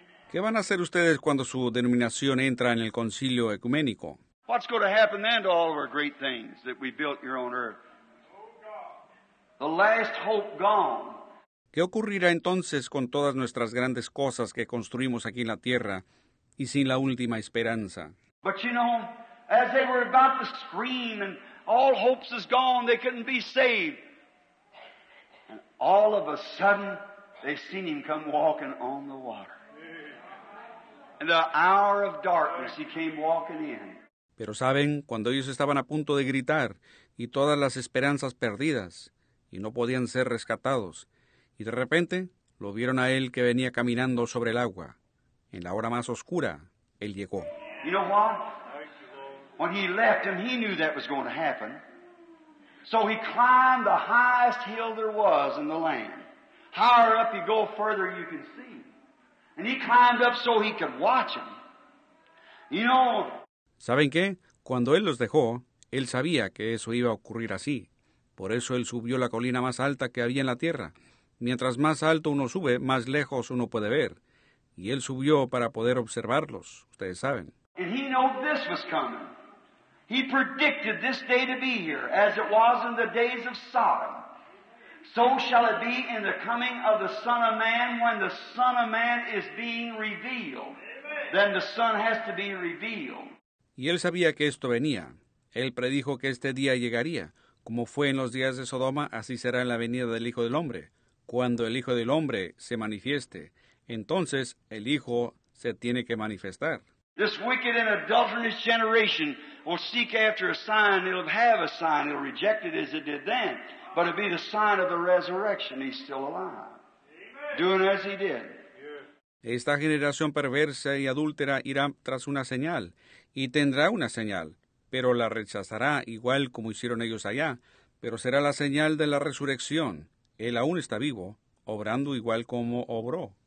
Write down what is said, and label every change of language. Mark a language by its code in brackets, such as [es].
[es] ¿Qué van a hacer ustedes cuando su denominación entra en el Concilio Ecuménico? [en] What's going to happen then to all of our great things that we built here on earth? The last hope gone. [es] ¿Qué ocurrirá entonces con todas nuestras grandes cosas que construimos aquí en la tierra y sin la última esperanza? [en] But you know, as they were about to scream and all hopes is gone, they couldn't be saved. And all of a sudden, they seen him come walking on the water. In the hour of darkness, he came walking in. [es] Pero saben, cuando ellos estaban a punto de gritar y todas las esperanzas perdidas y no podían ser rescatados, y de repente lo vieron a él que venía caminando sobre el agua. En la hora más oscura, él llegó. [en] You know what? When he left him, he knew that was going to happen. So he climbed the highest hill there was in the land. Higher up you go, further you can see. And he climbed up so he could watch him. You know. [es] ¿Saben qué? Cuando él los dejó, él sabía que eso iba a ocurrir así. Por eso él subió la colina más alta que había en la tierra. Mientras más alto uno sube, más lejos uno puede ver. Y él subió para poder observarlos, ustedes saben. [en] And he knew this was coming. He predicted this day to be here, as it was in the days of Sodom. So shall it be in the coming of the Son of Man, when the Son of Man is being revealed. Then the Son has to be revealed. [es] Y él sabía que esto venía. Él predijo que este día llegaría. Como fue en los días de Sodoma, así será en la venida del Hijo del Hombre. Cuando el Hijo del Hombre se manifieste, entonces el Hijo se tiene que manifestar. [en] This wicked and adulterous generation will seek after a sign. It'll have a sign. It'll reject it as it did then. But it'll be the sign of the resurrection. He's still alive. Amen. Doing as he did. [es] Esta generación perversa y adúltera irá tras una señal, y tendrá una señal, pero la rechazará igual como hicieron ellos allá, pero será la señal de la resurrección. Él aún está vivo, obrando igual como obró.